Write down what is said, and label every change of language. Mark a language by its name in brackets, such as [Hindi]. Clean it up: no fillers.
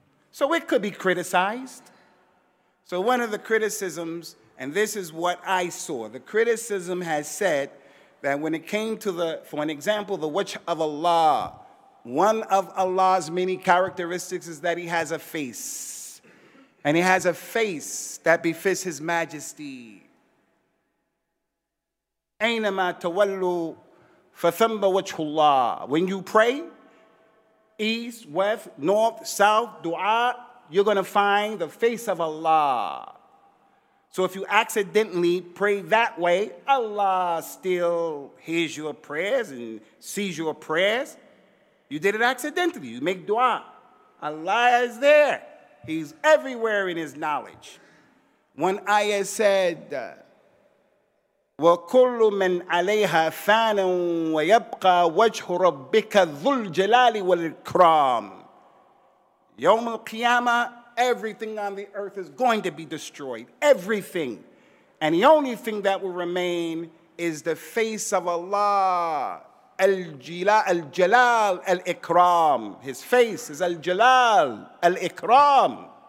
[English] So it could be criticized. So one of the criticisms, and this is what I saw, the criticism has said that when it came to the, for an example, the wajh of Allah, one of Allah's many characteristics is that he has a face. And he has a face that befits his majesty. [Arabic] أينما تولوا فثمّ وجه الله. [English] When you pray, east, west, north, south, dua, you're going to find the face of Allah. So if you accidentally pray that way, Allah still hears your prayers and sees your prayers. You did it accidentally. You make dua. Allah is there. He's everywhere in his knowledge. [Arabic] One ayah said, وَكُلُّ مَنْ عَلَيْهَا فَانًا وَيَبْقَى وَجْهُ رَبِّكَ ذُو الْجَلَالِ وَالْإِكْرَامِ. يَوْمُ الْقِيَامَةِ, [English] everything on the earth is going to be destroyed. Everything. And the only thing that will remain is the face of Allah. Al-Jalal al-Ikram. His face is Al-Jalal al-Ikram.